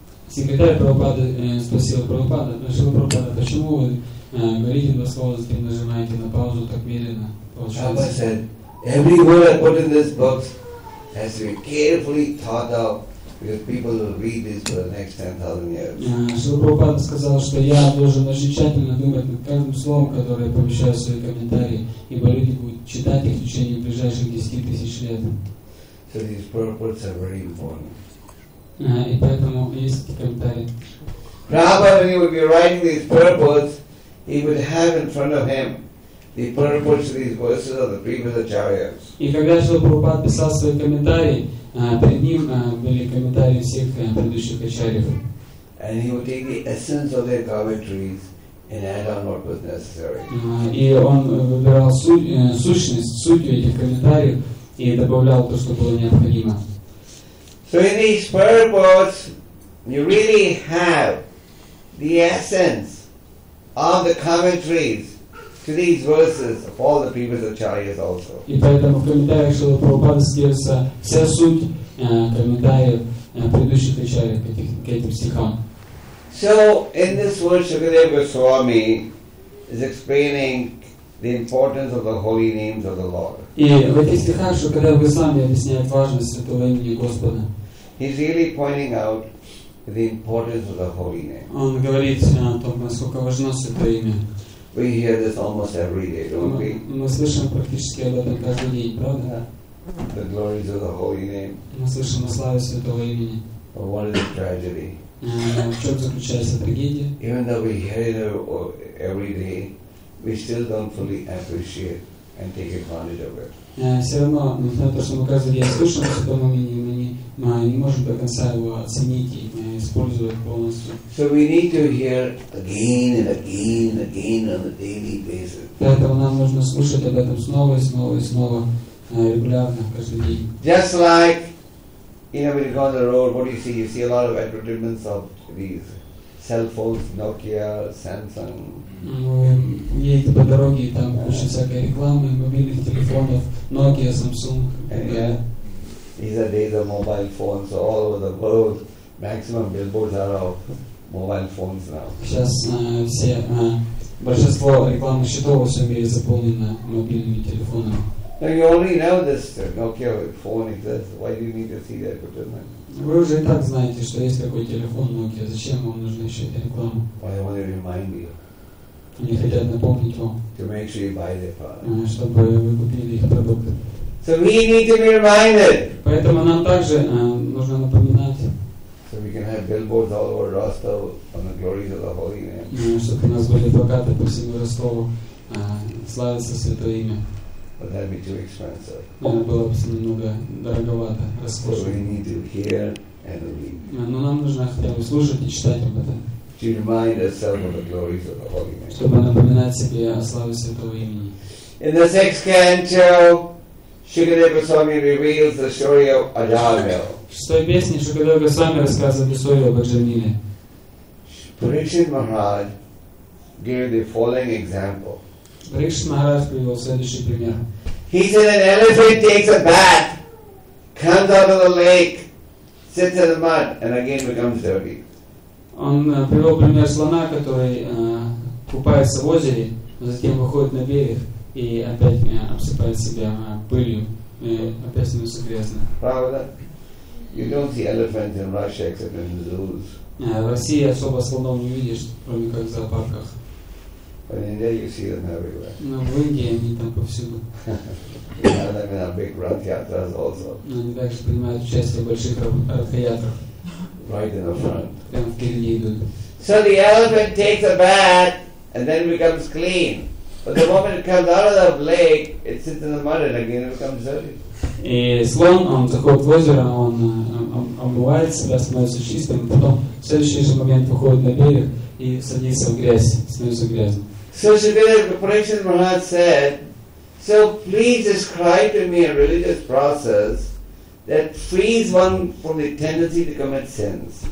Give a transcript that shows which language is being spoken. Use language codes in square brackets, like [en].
[ru] Секретарь Прабхупады спросил Прабхупада, нашел Прабхупада, почему вы говорите два слова, затем нажимаете на паузу так медленно? [en] Prabhupada said, every word I put in this book has to be carefully thought out because people will read this for the next 10,000 years. [ru] Шрила Прабхупада сказал, что я должен очень тщательно думать над каждым словом, которое я помещаю в свои комментарии, ибо люди будут читать их в течение ближайших 10,000 лет. [en] So these purports are very important. [ru] И поэтому есть эти комментарии. [en] Prabhupada, when he would be writing these purports, he would have in front of him the purports of these verses of the previous acharyas. [ru] И когда Шрила Прабхупада писал свои комментарии, перед ним были комментарии всех предыдущих ачарьев. [en] And he would take the essence of their commentaries and add on what was necessary. [ru] И он выбирал сущность, суть этих комментариев и добавлял то, что было необходимо. [en] So in these purports, you really have the essence of the commentaries to these verses of all the previous acharyas also. [ru] И поэтому в комментариях Шрилы Прабхупады содержится вся суть комментариев предыдущих ачарий к этим стихам. [en] So in this verse, Shukadeva Goswami is explaining the importance of the holy names of the Lord. [ru] И в этих стихах Шукадева Госвами объясняет важность святого имени Господа. [en] He's really pointing out the importance of the holy name. [ru] Он говорит о том, насколько важно святое имя. [en] We hear this almost every day, don't we? [ru] Мы слышим практически об этом каждый день, правда? [en] The glories of the holy name. [ru] Мы слышим о славе святого имени. [en] But what is the tragedy? [ru] В чем заключается трагедия? [en] Even though we hear it every day, we still don't fully appreciate and take advantage of it. [ru] Все равно, несмотря на то, что мы каждый день слышим о святом имени, мы не можем до конца его оценить и использовать полностью. [en] So we need to hear again and again and again on a daily basis. [ru] Поэтому нам нужно слушать об этом снова и снова и снова, регулярно, каждый день. [en] Just like, you know, when you go on the road, what do you see? You see a lot of advertisements of these cell phones, Nokia, Samsung. [ru] Едете по дороге, там куча всякой рекламы, мобильных телефонов, Nokia, Samsung. [en] These are days of mobile phones, so all over the world, maximum billboards are of mobile phones now. [ru] Сейчас все, большинство рекламных счетов во всем мире заполнено мобильными телефонами. [en] Now you already know this Nokia phone exists. Why do you need to see that advertisement? [ru] Вы уже и так знаете, что есть такой телефон Nokia. Зачем вам нужна еще эта реклама? [en] Why do they remind you? [ru] Они хотят напомнить вам. [en] To make sure you buy their product. [ru] Чтобы вы купили их продукты. [en] So we need to be reminded. [ru] Поэтому нам также нужно напоминать. [en] So we can have billboards all over Rostov on the glories of the Holy Name. [ru] Чтобы у нас были плакаты по всему Ростову, славится святое имя. [en] But that'd be too expensive. [ru] Было бы немного дороговато, роскошно. [en] So we need to hear and read. [ru] Но нам нужно хотя бы слушать и читать об этом. [en] To remind ourselves of the glories of the Holy Name. [ru] Чтобы напоминать себе о славе святого имени. [en] In the sixth canto, Shukadeva Goswami reveals the story of Ajamil. [ru] В своей песне Шукадева Госвами рассказывает историю об Аджамиле. [en] Parikshit Maharaj gave the following example. [ru] Parikshit Maharaj привел следующий пример. [en] He said an elephant takes a bath, comes out of the lake, sits in the mud, and again becomes dirty. [ru] Он привел пример слона, который купается в озере, затем выходит на берег и опять обсыпает себя пылью, опять становится грязным. Правда? [en] You don't see elephants in Russia except in zoos. [ru] В России особо слонов не видишь, кроме как в зоопарках. [en] But in India you see them everywhere. [ru] Но в Индии они там повсюду. [en] You have them in our big ратхиатрас also. [ru] Они также принимают участие в больших ратхиатрах. [en] Right in the front. [ru] Прямо впереди идут. [en] So the elephant takes a bath and then becomes clean. But the moment it comes out of the lake, it sits in the mud and again it becomes dirty. [ru] И слон, он заходит в озеро, он омывает себя, становится чистым, потом в следующий же момент выходит на берег и садится в грязь, становится грязным. [en] So Shukadeva Parikshit Maharaj said, so please describe to me a religious process that frees one from the tendency to commit sins.